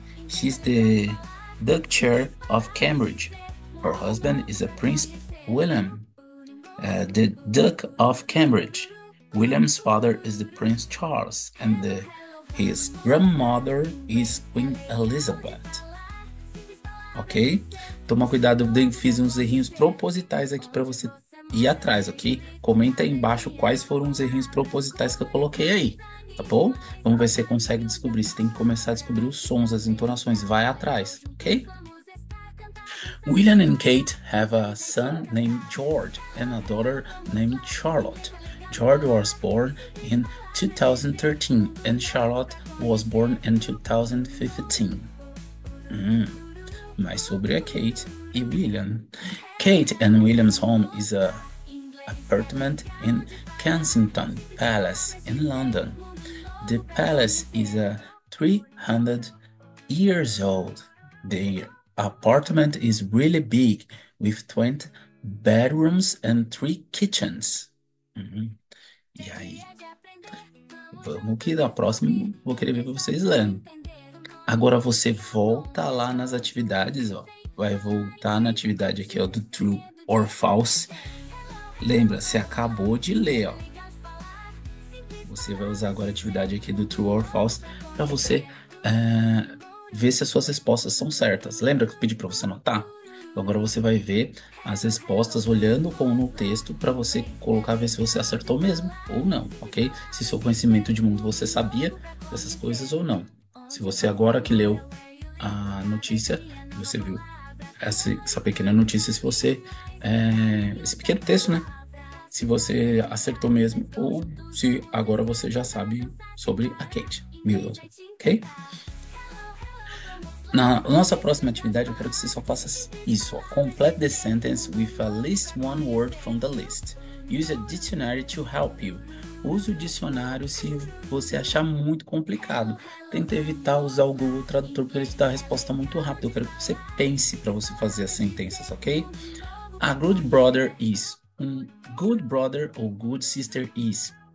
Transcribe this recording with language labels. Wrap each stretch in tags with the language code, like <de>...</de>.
<en>She's the Duke Chair of Cambridge. Her husband is a Prince William, the Duke of Cambridge. William's father is the Prince Charles, and his grandmother is Queen Elizabeth. Ok?</en> <pt>Toma cuidado, eu fiz uns errinhos propositais aqui para você ir atrás, ok? Comenta aí embaixo quais foram os errinhos propositais que eu coloquei aí, tá bom? Vamos ver se você consegue descobrir. Você tem que começar a descobrir os sons, as entonações. Vai atrás, ok?</pt> <en>William and Kate have a son named George and a daughter named Charlotte. George was born in 2013 and Charlotte was born in 2015.</en> <pt>Mais sobre a Kate e William.</pt> <en>Kate and William's home is an apartment in Kensington Palace in London. The palace is 300 years old. The apartment is really big, with 20 bedrooms and 3 kitchens.</en> <pt>E aí? Vamos que da próxima vou querer ver vocês lendo. Agora você volta lá nas atividades, ó. Vai voltar na atividade aqui, ó, do True or False. Lembra, você acabou de ler, ó. Você vai usar agora a atividade aqui do True or False para você ver se as suas respostas são certas. Lembra que eu pedi para você anotar? Então agora você vai ver as respostas olhando como no texto para você colocar, ver se você acertou mesmo ou não, ok? Se seu conhecimento de mundo você sabia dessas coisas ou não. Se você agora que leu a notícia, você viu essa pequena notícia, se você esse pequeno texto, né? Se você acertou mesmo ou se agora você já sabe sobre a Kate Middleton, ok? Na nossa próxima atividade, eu quero que você só faça isso, ó.</pt> <en>Complete the sentence with at least one word from the list. Use a dictionary to help you.</en> <pt>Use o dicionário se você achar muito complicado. Tenta evitar usar o Google Tradutor para ele te dar a resposta muito rápido. Eu quero que você pense para você fazer as sentenças, ok?</pt> <en>A good brother is. Um good brother ou good sister is.</en>